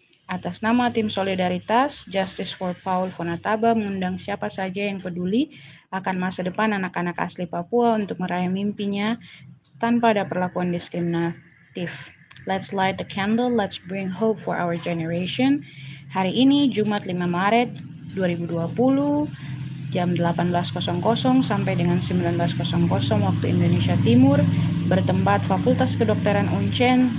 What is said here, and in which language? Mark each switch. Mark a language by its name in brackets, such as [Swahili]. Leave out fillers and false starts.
[Indonesian] Atas nama tim solidaritas, Justice for Paul Fonataba mengundang siapa saja yang peduli akan masa depan anak-anak asli Papua untuk meraih mimpinya tanpa ada perlakuan diskriminatif. [English] Let's light the candle, let's bring hope for our generation. [Indonesian] Hari ini, Jumat 5 Maret 2020, jam 18.00 sampai dengan 19.00 waktu Indonesia Timur, bertempat Fakultas Kedokteran Uncen.